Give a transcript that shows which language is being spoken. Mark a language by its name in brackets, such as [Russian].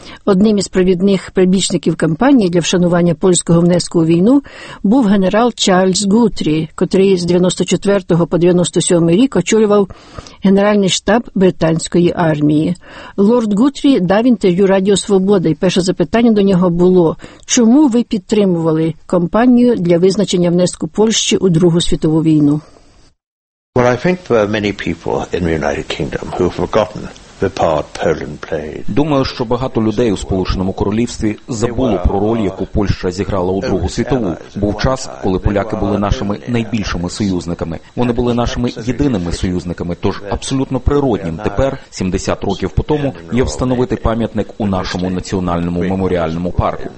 [Ukrainian] Одним із провідних прибічників кампанії для вшанування польського внеску у війну був генерал Чарльз Гутрі, котрий з 94 по 97 рік очолював генеральний штаб британської армії. Лорд Гутрі дав інтерв'ю Радіо Свобода, і перше запитання до нього було: чому ви підтримували кампанію для визначення внеску Польщі у Другу світову війну? [English] Well, I think there are many people in the United Kingdom who have forgotten the part Poland played. [Ukrainian] Думаю, що багато людей у Сполученому Королівстві забуло про роль, яку Польща зіграла у Другу світову. Був час, коли поляки були нашими найбільшими союзниками. Вони були нашими єдиними союзниками, тож абсолютно природнім тепер, 70 років по тому, є встановити пам'ятник у нашому національному меморіальному парку.